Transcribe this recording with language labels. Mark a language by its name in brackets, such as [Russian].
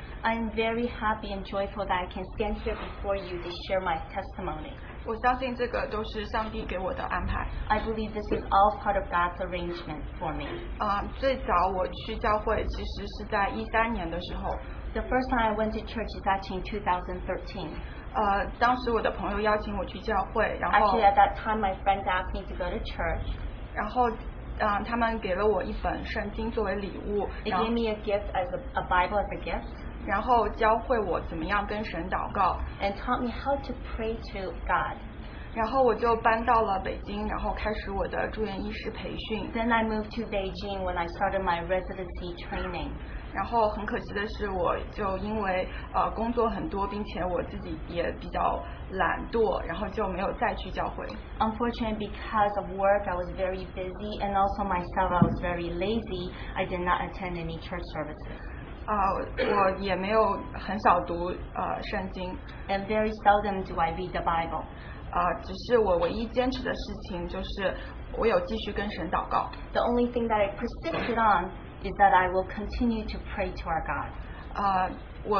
[English] I'm very happy and joyful that I can stand here before you to share my testimony. [Chinese] 我相信这个都是上帝给我的安排。 [English] I believe this is all part of God's arrangement for me. [Chinese] 最早我去教会其实是在13年的时候。 [English] The first time I went to church is actually in 2013. [Chinese] 当时我的朋友邀请我去教会，然后 [English] Actually, at that time, my friends asked me to go to church. [Chinese] 然后 他们给了我一本圣经作为礼物 [English] They gave me a gift as a Bible as a gift [Chinese] 然后教会我怎么样跟神祷告 [English] And taught me how to pray to God [Chinese] 然后我就搬到了北京 然后开始我的住院医师培训 [English] Then I moved to Beijing when I started my residency training [Chinese] 然后很可惜的是我就因为 工作很多 并且我自己也比较懒惰 然后就没有再去教会 [English] Unfortunately because of work I was very busy and also myself I was very lazy I did not attend any church services [Chinese] 我也没有很少读 圣经 [English] And very seldom do I read the Bible [Chinese] 只是我唯一坚持的事情就是我有继续跟神祷告 [English] The only thing that I persisted on is that I will continue to pray to our God.